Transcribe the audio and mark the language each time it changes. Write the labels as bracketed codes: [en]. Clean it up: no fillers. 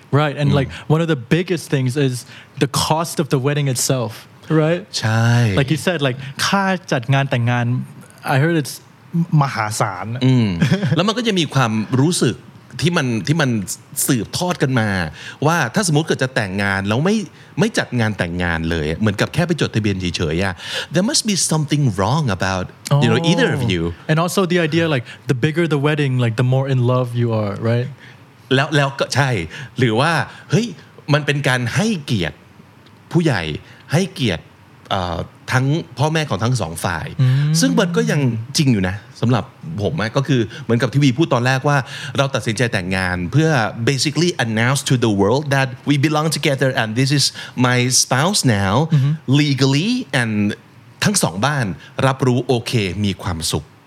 [en] right and like one of the biggest things is the cost of the wedding itself right [th] ใช่ [en] like you said like [th] ค่าจัดงานแต่งงาน [en] I heard it's [th] มหาศาล แล้วมันก็จะมีความรู้สึกที่มันสืบทอดกันมาว่าถ้าสมมติเกิดจะแต่งงานแล้วไม่จัดงานแต่งงานเลยเหมือนกับแค่ไปจดทะเบียนเฉยๆอ่ะ [en] there must be something wrong about you know either of you and also the idea like the bigger the wedding like the more in love you are right [th] แล้วก็ใช่หรือว่าเฮ้ยมันเป็นการให้เกียรติผู้ใหญ่ให้เกียรติทั้งพ่อแม่ของทั้งสองฝ่ายซึ่งมันก็ยังจริงอยู่นะสำหรับผมก็คือเหมือนกับทีวีพูดตอนแรกว่าเราตัดสินใจแต่งงานเพื่อ [en] basically announce to the world that we belong together and this is my spouse now legally and [th] ทั้งสองบ้านรับรู้โอเคมีความสุข